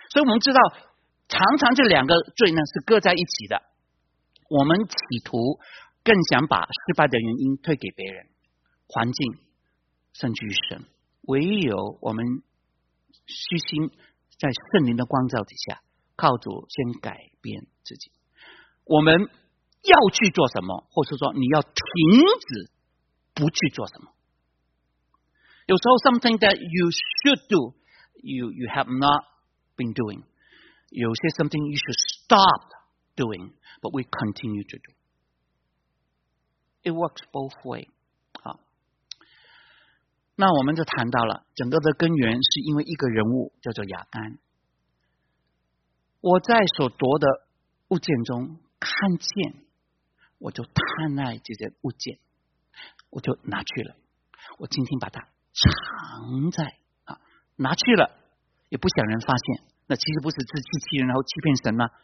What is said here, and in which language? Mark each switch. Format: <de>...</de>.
<zh>所以我们知道常常这两个罪呢是搁在一起的，我们企图更想把失败的原因推给别人、环境、甚至于神。唯有我们虚心在圣灵的光照底下，靠主先改变自己。我们要去做什么，或是说你要停止不去做什么。有时候</zh> <en>something that you should do, you have not been doing.</en> <zh>有些</zh> <en>something you should stop doing, but we continue to do. It works both ways.</en> <zh>那我们就谈到了整个的根源是因为一个人物叫做亚干。我在所夺的物件中看见，我就贪爱这件物件，我就拿去了，我今天把它藏在拿去了也不想人发现，那其实不是自欺欺人然后欺骗神吗？</zh>